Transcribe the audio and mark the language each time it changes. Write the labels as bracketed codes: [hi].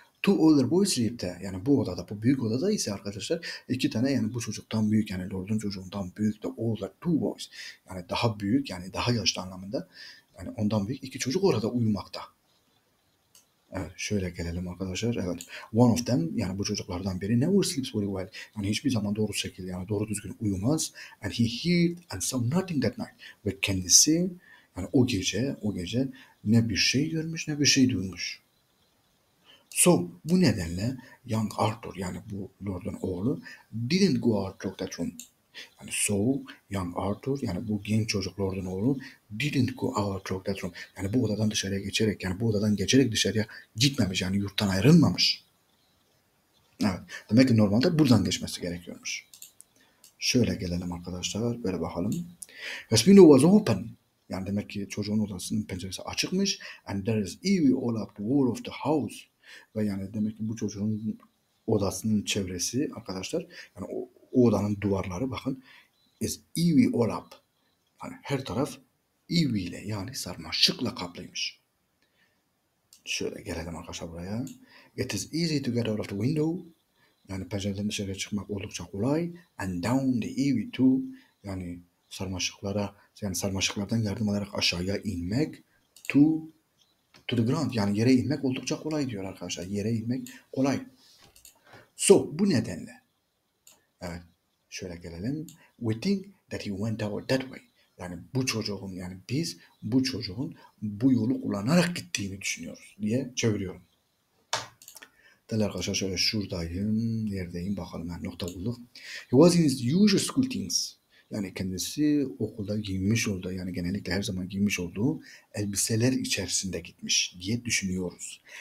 [en] Two older boys sleep there. [tr] Yani bu odada, bu büyük odada ise arkadaşlar iki tane, yani bu çocuktan büyük, yani lordun çocuğundan büyük de [en] older two boys. [tr] Yani daha büyük, yani daha yaşlı anlamında. Yani ondan büyük iki çocuk orada uyumakta. Evet, şöyle gelelim arkadaşlar. Evet. [en] One of them, [tr] yani bu çocuklardan biri [en] never sleeps very well. [tr] Yani hiçbir zaman doğru şekilde, yani doğru düzgün uyumaz. [en] And he heard and saw nothing that night. [tr] Ve kendisi, yani o gece ne bir şey görmüş ne bir şey duymuş. [en] So, [tr] bu nedenle [en] young Arthur, [tr] yani bu lordun oğlu, [en] didn't go out to that room. Yani so, young Arthur, [tr] yani bu genç çocuk lordun oğlu, [en] didn't go out to that room. [tr] Yani bu odadan dışarıya geçerek, yani bu odadan geçerek dışarıya gitmemiş, yani yurttan ayrılmamış. Evet, demek ki normalde buradan geçmesi gerekiyormuş. Şöyle gelelim arkadaşlar, böyle bakalım. [en] His window was open. [tr] Yani demek ki çocuğun odasının penceresi açıkmış. [en] And there is eerie all up the wall of the house. [tr] Ve yani demek ki bu çocuğun odasının çevresi arkadaşlar, yani o odanın duvarları bakın, [en] is eerie all up. [tr] Yani her taraf eerie ile, yani sarmaşıkla kaplıymış. Şöyle gelelim arkadaşlar buraya. [en] It is easy to get out of the window. [tr] Yani pencereden dışarı çıkmak oldukça kolay. [en] And down the eerie too. [tr] Yani sarmaşıklara, yani sarmaşıklardan yardım alarak aşağıya inmek. [en] To the ground, [tr] yani yere inmek oldukça kolay diyor arkadaşlar. Yere inmek kolay. So, bu nedenle. Evet, şöyle gelelim. [en] We think that he went out that way. [tr] Yani bu çocuğun, yani biz bu çocuğun bu yolu kullanarak gittiğini düşünüyoruz diye çeviriyorum. Değil arkadaşlar, şöyle şuradayım, neredeyim bakalım, yani nokta bulduk. [en] He was in his usual school things. [tr] Yani kendisi okulda giymiş olduğu, yani genellikle her zaman giymiş olduğu elbiseler içerisinde gitmiş diye düşünüyoruz.